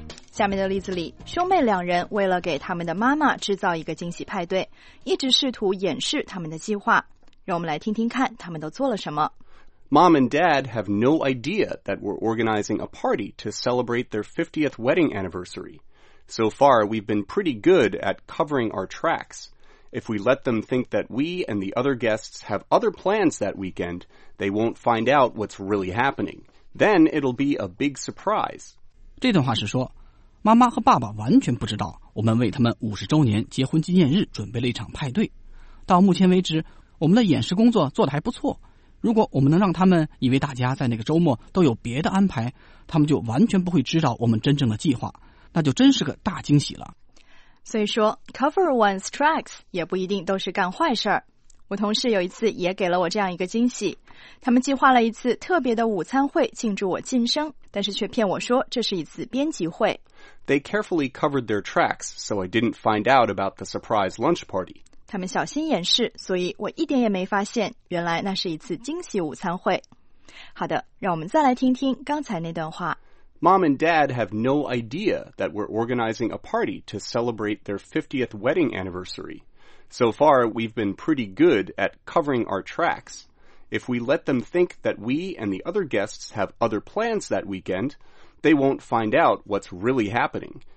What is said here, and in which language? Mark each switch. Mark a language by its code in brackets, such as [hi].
[zh] 下面的例子里，兄妹两人为了给他们的妈妈制造一个惊喜派对，一直试图掩饰他们的计划。让我们来听听看他们都做了什么。 [en] Mom and Dad have no idea that we're organizing a party to celebrate their 50th wedding anniversary. So far, we've been pretty good at covering our tracks. If we let them think that we and the other guests have other plans that weekend, they won't find out what's really happening. Then it'll be a big surprise. [zh] 这段话是说，妈妈和爸爸完全不知道我们为他们50周年结婚纪念日准备了一场派对。到目前为止，我们的掩饰工作做得还不错。如果我们能让他们以为大家在那个周末都有别的安排，他们就完全不会知道我们真正的计划，那就真是个大惊喜了。所以说 cover one's tracks 也不一定都是干坏事儿。我同事有一次也给了我这样一个惊喜，他们计划了一次特别的午餐会庆祝我晋升，但是却骗我说这是一次编辑会。 [en] They carefully covered their tracks, so I didn't find out about the surprise lunch party. [zh] 他们小心掩饰，所以我一点也没发现，原来那是一次惊喜午餐会。好的，让我们再来听听刚才那段话。 [en] Mom and Dad have no idea that we're organizing a party to celebrate their 50th wedding anniversary. So far, we've been pretty good at covering our tracks. If we let them think that we and the other guests have other plans that weekend, they won't find out what's really happening.